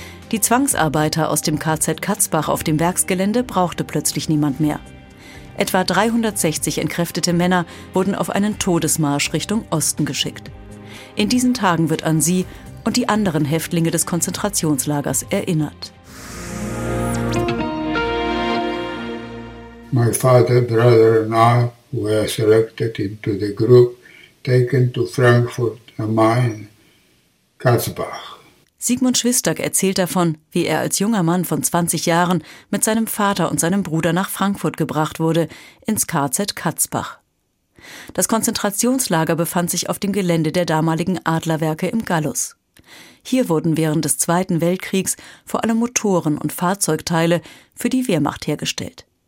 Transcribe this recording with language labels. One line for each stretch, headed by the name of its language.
German: Die Zwangsarbeiter aus dem KZ Katzbach auf dem Werksgelände brauchte plötzlich niemand mehr. Etwa 360 entkräftete Männer wurden auf einen Todesmarsch Richtung Osten geschickt. In diesen Tagen wird an sie und die anderen Häftlinge des Konzentrationslagers erinnert.
English: My father, brother and I were selected into the group taken to Frankfurt am Main, Katzbach.
German: Sigmund Schwistak erzählt davon, wie er als junger Mann von 20 Jahren mit seinem Vater und seinem Bruder nach Frankfurt gebracht wurde, ins KZ Katzbach. Das Konzentrationslager befand sich auf dem Gelände der damaligen Adlerwerke im Gallus. Hier wurden während des Zweiten Weltkriegs vor allem Motoren und Fahrzeugteile für die Wehrmacht hergestellt.